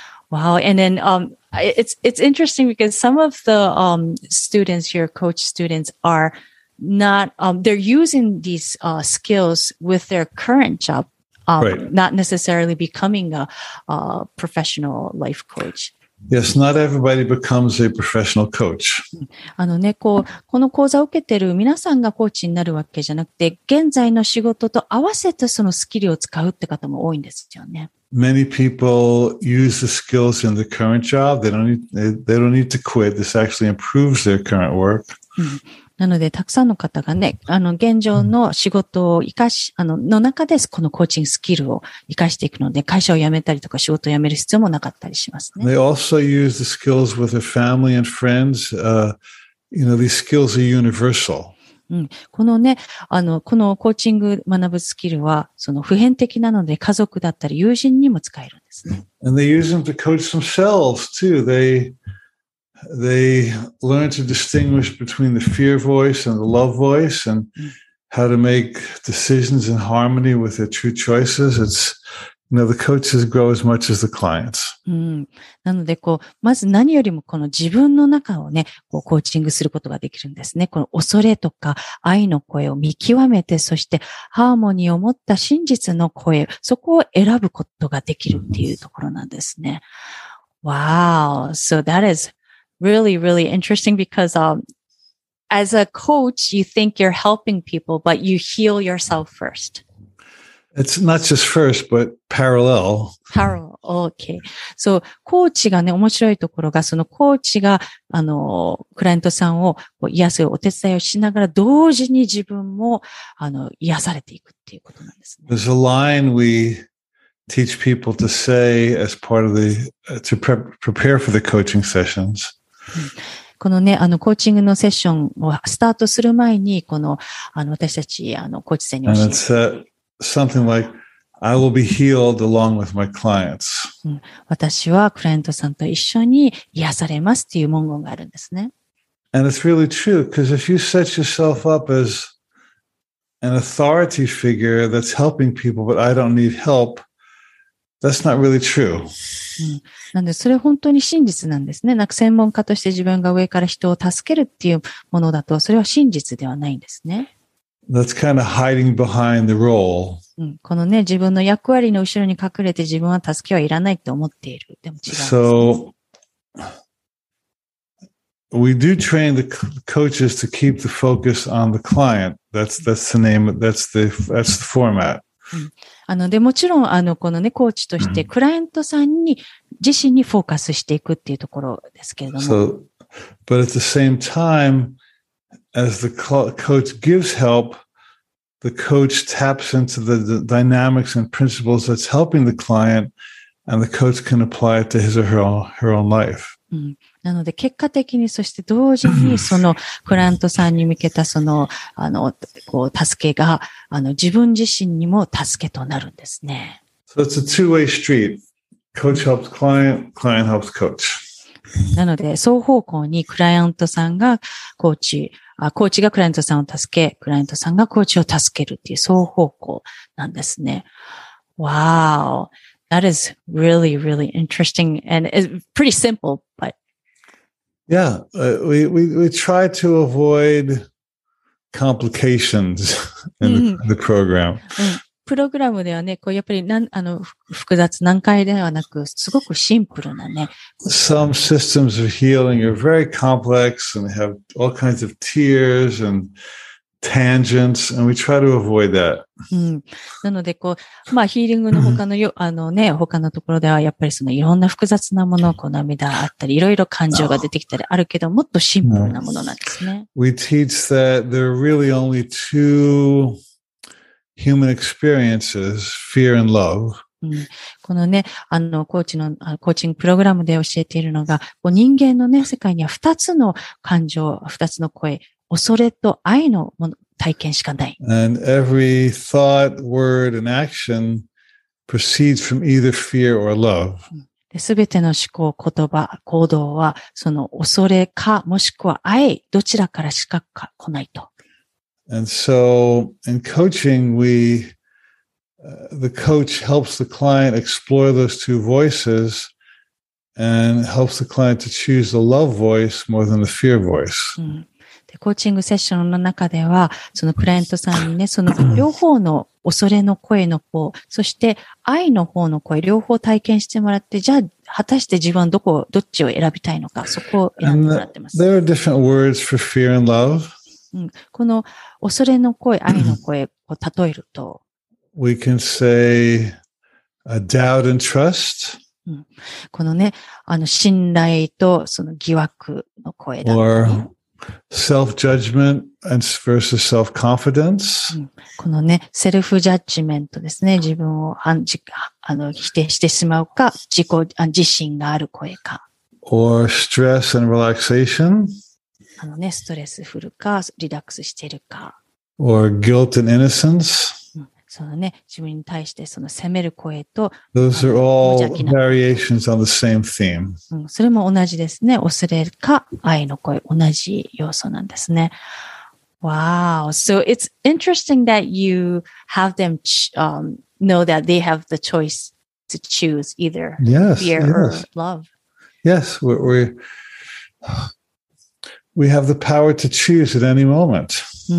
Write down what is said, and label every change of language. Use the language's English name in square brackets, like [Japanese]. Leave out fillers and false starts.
[English] Wow, and then it's interesting because some of the students here, coach students, are not they're using these skills with their current job, not necessarily becoming a professional life coach. Yes, not everybody becomes a professional coach. [Japanese] この講座を受けている皆さんがコーチになるわけじゃなくて、現在の仕事と合わせてそのスキルを使うって方も多いんですよね。 [English] Many people use the skills in the current job. They don't need to quit. This actually improves their current work. [Japanese] なので、たくさんの方がね、現状の仕事を生かし、の中で、このコーチングスキルを生かしていくので、会社を辞めたりとか仕事を辞める必要もなかったりしますね。 [English] They also use the skills with their family and friends. These skills are universal. [Japanese] このね、このコーチング学ぶスキルは、その普遍的なので、家族だったり友人にも使えるんですね。 [English] And they use them to coach themselves too. They learn to distinguish between the fear voice and the love voice and how to make decisions in harmony with their true choices. It's the coaches grow as much as the clients. [Japanese] なので、まず何よりもこの自分の中をね、コーチングすることができるんですね。この恐れとか愛の声を見極めて、そしてハーモニーを持った真実の声、そこを選ぶことができるっていうところなんですね。 [English] Wow. So that is really, really interesting because, as a coach, you think you're helping people, but you heal yourself first. It's not just first, but parallel. Parallel. Okay. [Japanese] So, コーチがね、面白いところが、そのコーチが、クライアントさんを癒すお手伝いをしながら、同時に自分も、癒されていくっていうことなんですね。 [English] There's a line we teach people to say as part of the, to prepare for the coaching sessions. [Japanese] このね、コーチングのセッションをスタートする前に、この、私たち、コーチ生に教えて。 [English] Something like, I will be healed along with my clients. [Japanese] 私はクライアントさんと一緒に癒されますっていう文言があるんですね。 [English] And it's really true, because if you set yourself up as an authority figure that's helping people, but I don't need help, that's not really true. [Japanese] なんでそれ本当に真実なんですね。なんか専門家として自分が上から人を助けるっていうものだと、それは真実ではないんですね。 [English] That's kind of hiding behind the role. [Japanese] このね、自分の役割の後ろに隠れて自分は助けはいらないと思っている。でも違うんです。 [English] So, we do train the coaches to keep the focus on the client. That's the name, that's the format. [Japanese] で、もちろん、このね、コーチとして、クライアントさんに、自身にフォーカスしていくっていうところですけれども。 [English] So, but at the same time,As the coach gives help, the coach taps into the dynamics and principles that's helping the client, and the coach can apply it to his or her own life. [Japanese] なので結果的にそして同時にそのクライアントさんに向けたその助けが自分自身にも助けとなるんですね。 [English] So it's a two-way street. Coach helps client. Client helps coach. [Japanese] なので双方向にクライアントさんがコーチコーチがクライアントさんを助け、クライアントさんがコーチを助けるっていう双方向なんですね。 [English] Wow, that is really, really interesting and it's pretty simple, but yeah, we try to avoid complications in the program. [Japanese] プログラムではね、こうやっぱり複雑難解ではなく、すごくシンプルなね。 [English] Some systems of healing are very complex and have all kinds of tiers and tangents, and we try to avoid that. うん。 [Japanese] なのでこう、まあヒーリングの他のよ、他のところではやっぱりそのいろんな複雑なものをこう涙あったり、いろいろ感情が出てきたりあるけど、もっとシンプルなものなんですね。 [English] We teach that there are really only two human experiences, fear and love. [Japanese] このね、コーチングプログラムで教えているのが、こう人間のね、世界には二つの感情、二つの声、恐れと愛のもの、体験しかない。 [English] And every thought, word, and action proceeds from either fear or love. [Japanese] で、全ての思考、言葉、行動は、その恐れか、もしくは愛、どちらからしか来ないと。 [English] And so, in coaching, the coach helps the client explore those two voices and helps the client to choose the love voice more than the fear voice.、 [Japanese] で、コーチングセッションの中では、そのクライアントさんにね、その両方の恐れの声の方、そして愛の方の声、両方体験してもらって、じゃあ、果たして自分はどっちを選びたいのか、そこを選んでもらってます。 [English] There are different words for fear and love. [Japanese] この恐れの声、愛の声を例えると。 [English] We can say a doubt and trust.、 [Japanese] このね、信頼とその疑惑の声だ。 [English] Or self-judgment versus self-confidence.、 [Japanese] このね、セルフジャッジメントですね。自分を否定してしまうか、自信がある声か。 [English] Or stress and relaxation. [Japanese] ね、ストレスフルか、リラックスしてるか。 [English] Or guilt and innocence.、 [Japanese] そのね、自分に対してその責める声と、 [English] Those are all variations on the same theme.、 [Japanese] それも同じですね。恐れか、愛の声、同じ要素なんですね。 [English] Wow. So it's interesting that you have them know that they have the choice to choose either fear or love. Yes, we have the power to choose at any moment.